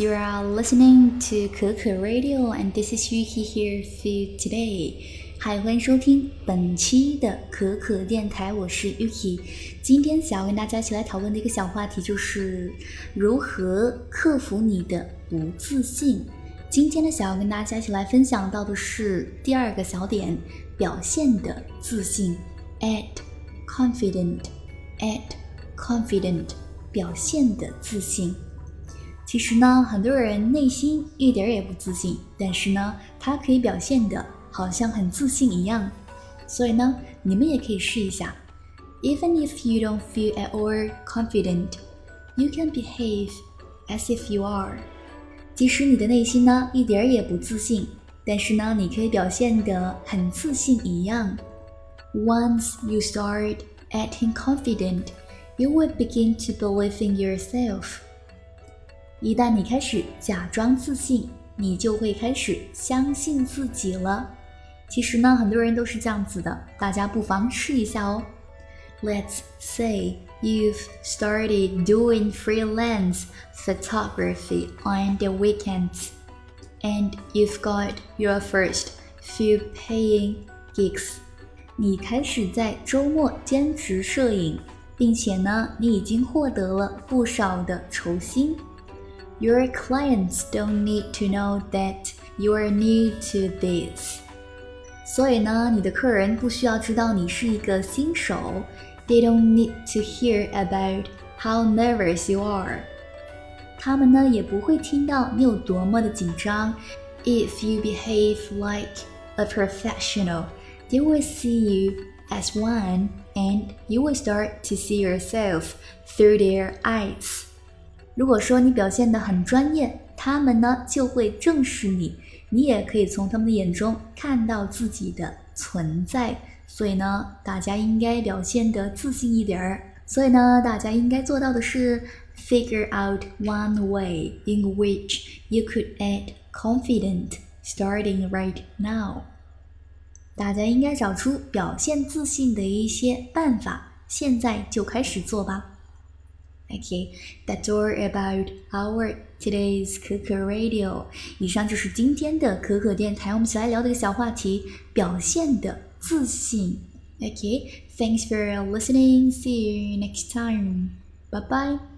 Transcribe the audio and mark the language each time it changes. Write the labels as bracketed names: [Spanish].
[English] You are listening to Keke Radio, and this is Yuki here for you today. [Chinese] Hi, 欢迎收听本期的可可电台，我是 Yuki。今天想要跟大家一起来讨论的一个小话题就是如何克服你的不自信。今天呢，想要跟大家一起来分享到的是第二个小点，表现的自信 ，at confident， 表现的自信。其实呢，很多人内心一点也不自信，但是呢，他可以表现的好像很自信一样。所以呢，你们也可以试一下 [English] ，Even if you don't feel at all confident, you can behave as if you are. [Chinese] 即使你的内心呢一点也不自信，但是呢你可以表现得很自信一样。 [English] Once you start acting confident, you will begin to believe in yourself. [Chinese] 一旦你开始假装自信，你就会开始相信自己了。其实呢很多人都是这样子的，大家不妨试一下哦。 [English] Let's say you've started doing freelance photography on the weekends, and you've got your first few paying gigs. [Chinese] 你开始在周末兼职摄影，并且呢，你已经获得了不少的酬薪。 [English] Your clients don't need to know that you're new to this. [Chinese] 所以呢，你的客人不需要知道你是一个新手。 [English] They don't need to hear about how nervous you are. [Chinese] 他们呢也不会听到你有多么的紧张。 [English] If you behave like a professional, they will see you as one and you will start to see yourself through their eyes. [Chinese] 如果说你表现得很专业，他们呢就会正视你，你也可以从他们的眼中看到自己的存在。所以呢大家应该表现得自信一点。所以呢大家应该做到的是 [English] figure out one way in which you could act confident starting right now. [Chinese] 大家应该找出表现自信的一些办法，现在就开始做吧。 [English] Okay, that's all about our today's Keke Radio. [Chinese] 以上就是今天的可可电台，我们一起来聊的一个小话题，表现的自信。 [English] Okay, thanks for listening. See you next time. Bye bye.